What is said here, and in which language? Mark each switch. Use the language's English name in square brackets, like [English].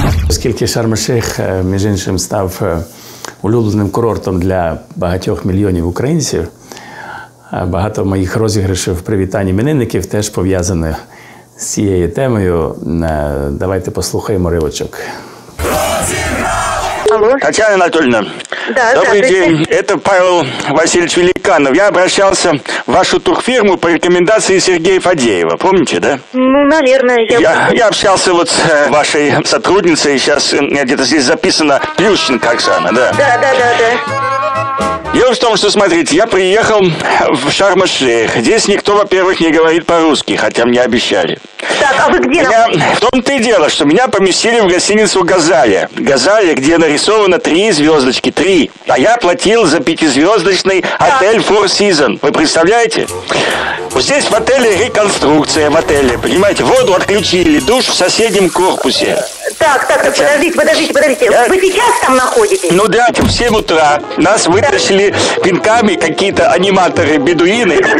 [Ukrainian] Оскільки Шарм-Ель-Шейх, між іншим, став улюбленим курортом для багатьох мільйонів українців, багато моїх розіграшів привітань іменинників теж пов'язане з цією темою. Давайте послухаємо ривочок. [Russian] Татьяна Анатольевна, да, добрый день. Это Павел Васильевич Великанов. Я обращался в вашу турфирму по рекомендации Сергея Фадеева. Помните, да? Ну, наверное. Я общался вот с вашей сотрудницей. Сейчас где-то здесь записано Плющенко Оксана, да? Да. Дело в том, что, смотрите, я приехал в Шарм-эш-Шейх. Здесь никто, во-первых, не говорит по-русски, хотя мне обещали. Так, а вы где? Меня... В том-то и дело, что меня поместили в гостиницу «Газалия». «Газалия», где нарисовано три звездочки, три. А я платил за пятизвездочный отель «Four Seasons». Вы представляете? Вот здесь в отеле реконструкция, в отеле, понимаете? Воду отключили, душ в соседнем корпусе. Так, подождите. Вы сейчас там находитесь? Ну да, в 7 утра нас вытащили. Пинками какие-то аниматоры-бедуины.